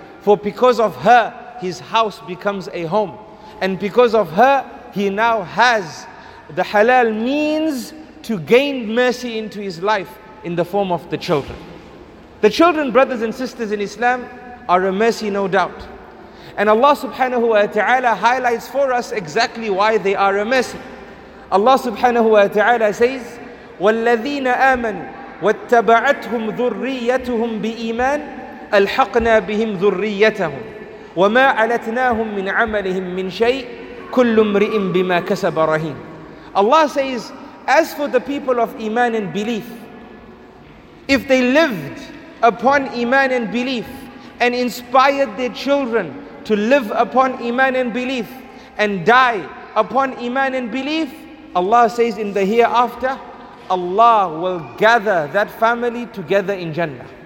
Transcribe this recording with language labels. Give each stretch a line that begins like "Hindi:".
English: For because of her, his house becomes a home. And because of her, he now has the halal means to gain mercy into his life in the form of the children. The children, brothers and sisters in Islam, are a mercy, no doubt. And Allah subhanahu wa ta'ala highlights for us exactly why they are a mercy. Allah subhanahu wa ta'ala says,
Arabic: وَالَّذِينَ آمَنُوا وَاتَّبَعَتْهُمْ ذُرِّيَّتُهُمْ بِإِيمَانِ أَلْحَقْنَا بِهِمْ ذُرِّيَّتَهُمْ وَمَا عَلَتْنَاهُمْ مِنْ عَمَلِهِمْ مِنْ شَيْءٍ كُلُّ امْرِئٍ بِمَا كَسَبَ رَهِينٌ.
English: Allah says, as for the people of Iman and belief, if they lived upon Iman and belief and inspired their children to live upon Iman and belief and die upon Iman and belief, Allah says in the hereafter, Allah will gather that family together in Jannah.